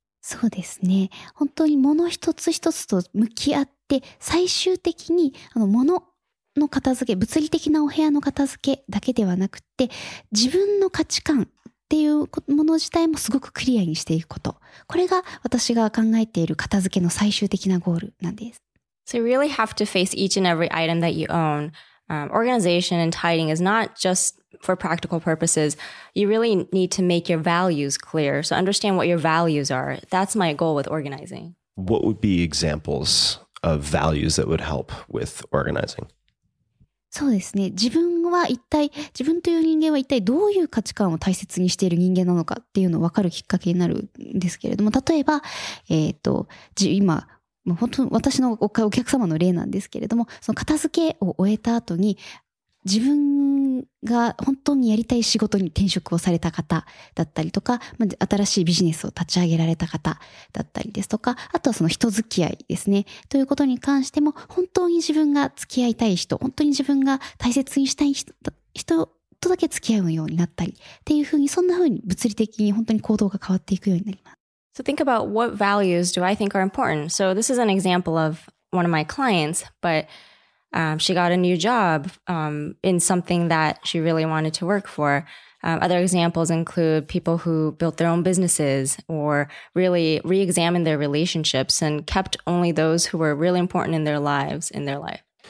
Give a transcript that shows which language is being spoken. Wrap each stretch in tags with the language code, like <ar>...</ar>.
<ja>そうですね。本当に物一つ一つと向き合って、で最終的に物の片付け、物理的なお部屋の片付けだけではなくて、自分の価値観っていうもの自体もすごくクリアにしていくこと、これが私が考えている片付けの最終的なゴールなんです。</ja> <en>So you really have to face each and every item that you own. Organization and tidying is not just for practical purposes. You really need to make your values clear. So understand what your values are. That's my goal with organizing. What would be examplesof values that would help with organizing.</en> <ja>そうですね。自分は一体、自分という人間は一体どういう価値観を大切にしている人間なのかっていうのを分かるきっかけになるんですけれども、例えば、今、本当私のお客様の例なんですけれども、その片付けを終えた後に、自分が本当にやりたい仕事に転職をされた方だったりとか、新しいビジネスを立ち上げられた方だったりですとか、あとはその人付き合いですね、ということに関しても、本当に自分が付き合いたい人、本当に自分が大切にしたい人とだけ付き合うようになったり、っていうふうに、そんなふうに物理的に本当に行動が変わっていくようになります。</ja> <en>So think about what values do I think are important. So this is an example of one of my clients, but She got a new job in something that she really wanted to work for. Other examples include people who built their own businesses or really re-examined their relationships and kept only those who were really important in their lives in their life.</en>